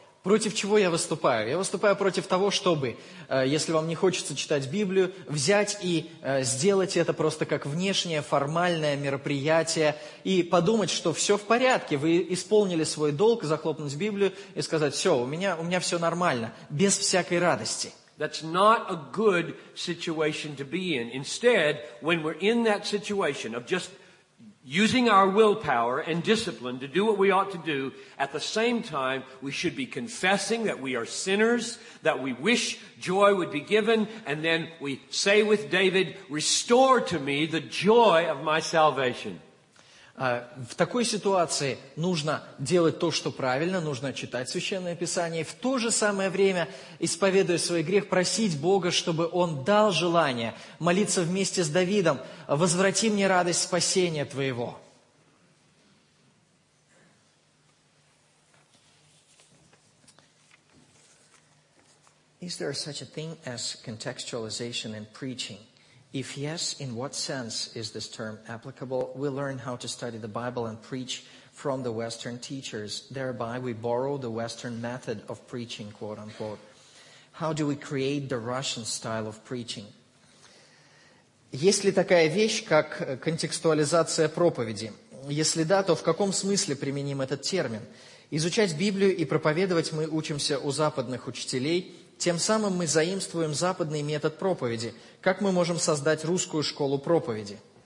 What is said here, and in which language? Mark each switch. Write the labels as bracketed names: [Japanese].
[Russian] Против чего я выступаю? Я выступаю против того, чтобы, если вам не хочется читать Библию, взять и сделать это просто как внешнее формальное мероприятие и подумать, что все в порядке, вы исполнили свой долг, захлопнуть Библию и сказать, все, у меня все нормально, без всякой радости. [English] That's not a good situation to be in. Instead, when we're in that situation of just using our willpower and discipline to do what we ought to do, at the same time, we should be confessing that we are sinners, that we wish joy would be given, and then we say with David, restore to me the joy of my salvation. [Russian] В такой ситуации нужно делать то, что правильно, нужно читать Священное Писание, и в то же самое время, исповедуя свой грех, просить Бога, чтобы Он дал желание молиться вместе с Давидом, «Возврати мне радость спасения Твоего». [English] Is there such a thing as contextualization in preaching? If yes, in what sense is this term applicable? We learn how to study the Bible and preach from the Western teachers. Thereby, we borrow the Western method of preaching, quote-unquote. How do we create the Russian style of preaching? [Russian] Есть ли такая вещь, как контекстуализация проповеди? Если да, то в каком смысле применим этот термин? Изучать Библию и проповедовать мы учимся у западных учителей – тем самым мы заимствуем западный метод проповеди. Как мы можем создать русскую школу проповеди?